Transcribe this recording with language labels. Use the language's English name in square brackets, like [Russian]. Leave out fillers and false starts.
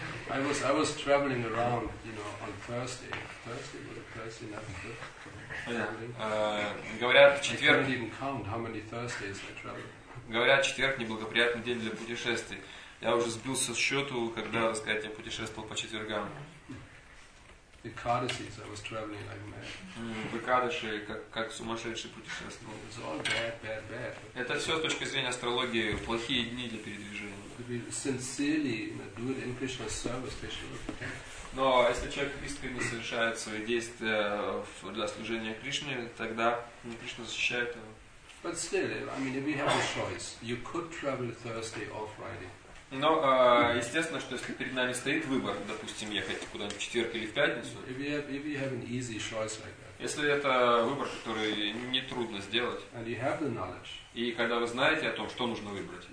[English] I was traveling around, you know, on Thursday. Thursday nothing good. [Russian] Говорят, четверг. [English] I can't even count how many Thursdays I travel. [Russian] Говорят, четверг неблагоприятный день для путешествий. Я уже сбился со счету, когда, так сказать, я путешествовал по четвергам. [English] The Kadashis, I was traveling like mad. [Russian] В Икадыши, как сумасшедший путешествовал. [English] It's all bad. [Russian] Это все с точки зрения астрологии плохие дни для передвижения. [English] If we sincerely do it in Krishna's service, they should look at it. [Russian] Но если человек искренне совершает свои действия для служения Кришне, тогда Кришна защищает его. [English] But still, I mean, if you have a choice, you could travel Thursday or Friday. [Russian] Но естественно, что если перед нами стоит выбор, допустим, ехать куда-нибудь в четверг или в пятницу. [English] If you have an easy choice like that. [Russian] Если это выбор, который не трудно сделать. [English] And you have the knowledge. [Russian] И когда вы знаете о том, что нужно выбрать.